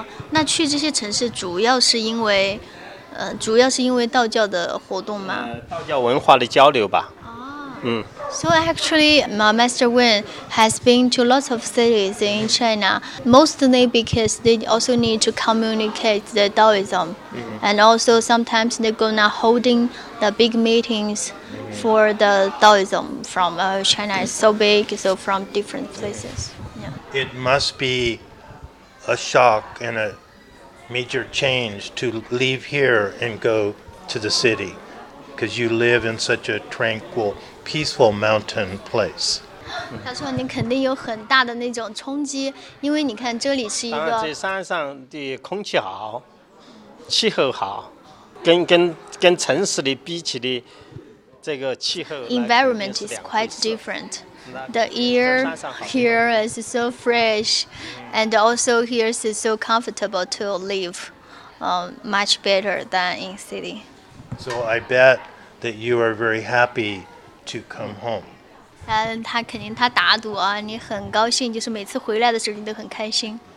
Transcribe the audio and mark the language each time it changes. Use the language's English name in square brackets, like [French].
[Chinese] 那去这些城市主要是因为道教的活动吗？道教文化的交流吧。 [English] So actually, Master Wen has been to lots of cities in China, mostly because they also need to communicate the Taoism. Mm-hmm. And also sometimes they're going to holding the big meetings for the Taoism from China. It's so big, so from different places. Yeah. It must be a shock and a major change to leave here and go to the city, because you live in such a tranquil, peaceful mountain place. [Chinese] 他说你肯定有很大的那种冲击，因为你看这里是一个，当然这山上的空气好，气候好，跟城市里比起的这个气候 [English] environment is quite different. The air here is so fresh, and also here is so comfortable to live, much better than in city. So I bet that you are very happy to come home. [Chinese] 他肯定他打赌啊，你很高兴，就是每次回来的时候你都很开心。